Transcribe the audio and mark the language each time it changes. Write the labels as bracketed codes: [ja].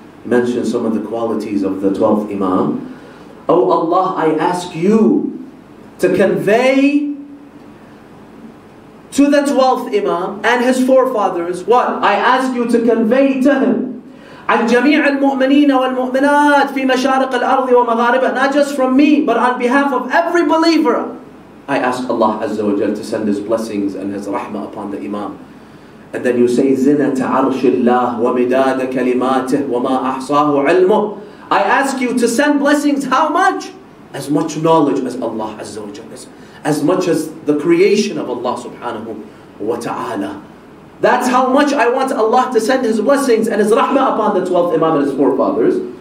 [en] Mention some of the qualities of the 12th Imam. Oh Allah, I ask You to convey to the 12th Imam and his forefathers, what? I ask you to convey to him, [ar] عن جميع المؤمنين والمؤمنات في مشارق الأرض ومغاربها, [en] not just from me, but on behalf of every believer, I ask Allah Azza wa Jal to send His blessings and His rahmah upon the Imam. And then you say, [ar] زنة عرش الله ومداد كلماته وما أحصاه علمه. [en] I ask you to send blessings, how much? As much knowledge as Allah Azza wa Jal is. As much as the creation of Allah subhanahu wa ta'ala. That's how much I want Allah to send His blessings and His rahmah upon the 12th Imam and his forefathers.